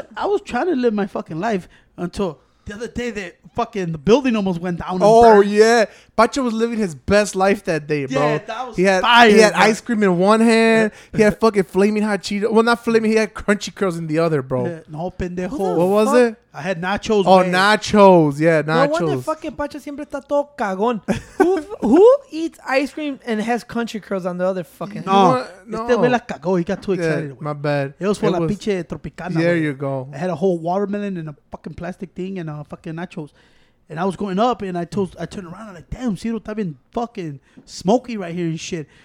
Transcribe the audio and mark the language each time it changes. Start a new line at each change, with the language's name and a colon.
English: I was trying to live my fucking life until the other day that fucking the building almost went down. And oh, burned. Yeah. Pacho was living his best life that day, bro. Yeah, that was He had ice cream in one hand. He had fucking Flaming Hot Cheetos. Well, not Flaming. He had Crunchy Curls in the other, bro. Yeah,
Spanish: no, pendejo.
English: What was it? I had nachos. Oh, man. Nachos. Yeah, nachos. No wonder fucking Pacho
Spanish: siempre está todo cagón.
English: Who eats ice cream and has Crunchy Curls on the other fucking hand? No.
Spanish: Este güey la cagó.
English: He got too excited. Yeah, my bad. It was for
Spanish: la pinche
English: Tropicana. There you go. I had a whole watermelon and a fucking plastic thing and fucking nachos. And I was going up and I turned around and I'm like, damn, Ciro, I've been fucking smoky right here and shit.